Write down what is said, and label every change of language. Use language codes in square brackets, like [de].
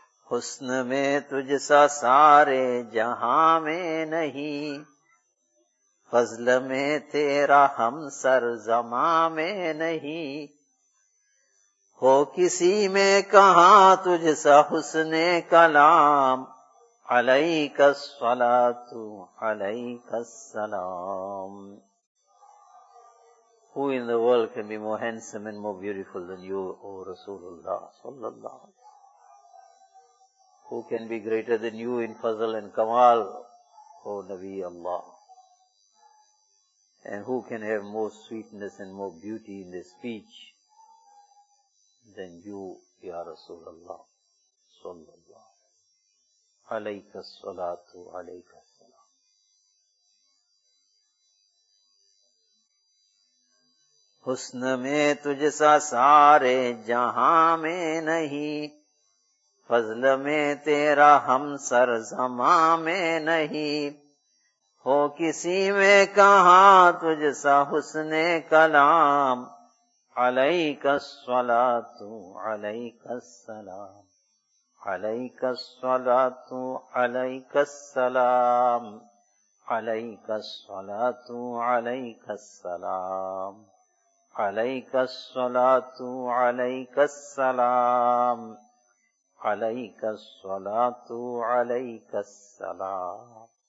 [ur] حسن میں تجھ سا سارے جہاں میں نہیں، فضل میں تیرا ہم سر زماں میں نہیں، ہو کسی میں کہاں تجھ سا حسن کلام، [ar] علیک الصلاۃ علیک السلام۔ [en] Who in the world can be more handsome and more beautiful than you, O Rasulullah صلی اللہ علیہ وسلم؟ Who can be greater than you in fazl and kamal, O Nabi Allah? And who can have more sweetness and more beauty in their speech than you, Ya Rasulullah sallallahu alayka salatu alayka salam. [ur] Husn mein tujh sa saare jahan mein nahi، فضل میں تیرا ہم سر زماں میں نہیں، ہو کسی میں کہاں تجھ سا حسن کلام، [ar] علیک الصلاۃ علیک السلام، [ur] علیک الصلاۃ علیک السلام، علیک الصلاۃ علیک السلام، علیک الصلاۃ علیک السلام، علیک الصلاۃ علیک السلام۔